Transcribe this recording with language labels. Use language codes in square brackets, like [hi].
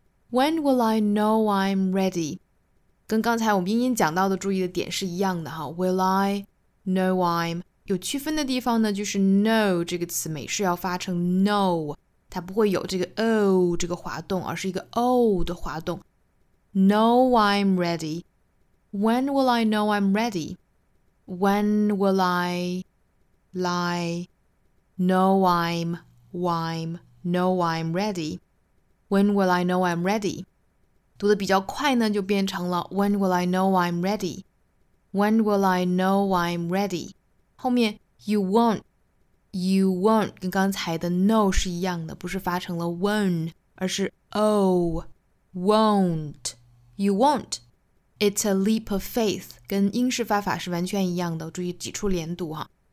[en] When will I know I'm ready? [zh] 跟刚才我们英音讲到的注意的点是一样的哈。 [en] Will I know I'm? [zh] 有区分的地方呢，就是 know 这个词美式要发成 know， 它不会有这个 o 这个滑动，而是一个 o 的滑动。 [en] Know I'm ready. When will I know I'm ready? When will I know I'm know I'm ready? When will I know I'm ready? [zh] 读得比较快呢，就变成了 [en] When will I know I'm ready? When will I know I'm ready? [zh] 后面 you won't跟刚才的 no 是一样的，不是发成了 won't 而是 oh won't [en] you won't。 It's a leap of faith， [zh] 跟英式发法是完全一样的，注意挤出连读哈。